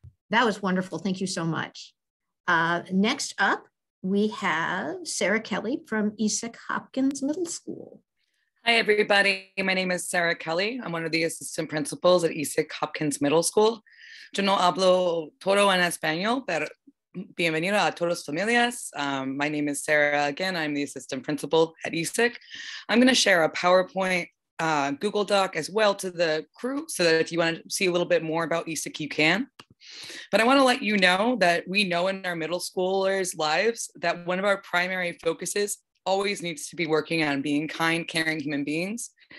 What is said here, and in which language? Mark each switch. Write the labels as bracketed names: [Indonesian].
[English] That was wonderful. Thank you so much. Next up, we have Sarah Kelly from Isaac Hopkins Middle School. Hi, everybody. My name is Sarah Kelly. I'm one of the assistant principals at Isaac Hopkins Middle School. [Spanish] Yo no hablo todo en español, pero bienvenido a todos familias. [English] My name is Sarah. Again, I'm the assistant principal at Isaac. I'm going to share a PowerPoint Google Doc as well to the crew so that if you want to see a little bit more about Isaac, you can. But I want to let you know that we know in our middle schoolers' lives that one of our primary focuses always needs to be working on being kind, caring human beings.